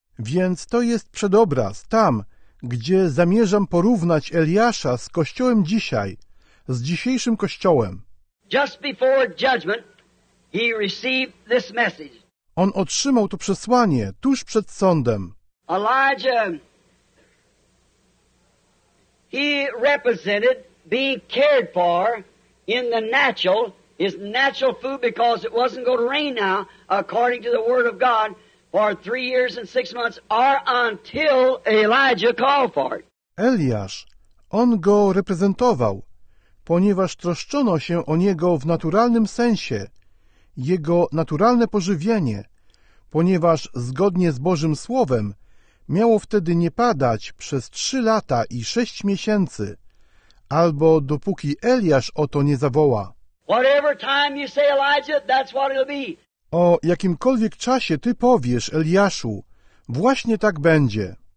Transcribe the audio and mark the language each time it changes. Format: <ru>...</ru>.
<pl>Więc to jest przedobraz tam, gdzie zamierzam porównać Eliasza z kościołem dzisiaj, z dzisiejszym kościołem.</pl> <en>Just before judgment, he received this message.</en> <pl>On otrzymał to przesłanie tuż przed sądem.</pl> <en>Elijah, he represented being cared for in the natural, his natural food, because it wasn't going to rain now, according to the word of God, for 3 years and 6 months, or until Elijah called for it.</en> <pl>Eliasz, on go reprezentował, ponieważ troszczono się o niego w naturalnym sensie, jego naturalne pożywienie, ponieważ zgodnie z Bożym Słowem miało wtedy nie padać przez 3 lata i 6 miesięcy, albo dopóki Eliasz o to nie zawoła.</pl> <en>Whatever time you say Elijah, that's what it'll be.</en> <pl>O jakimkolwiek czasie ty powiesz, Eliaszu, właśnie tak będzie.</pl>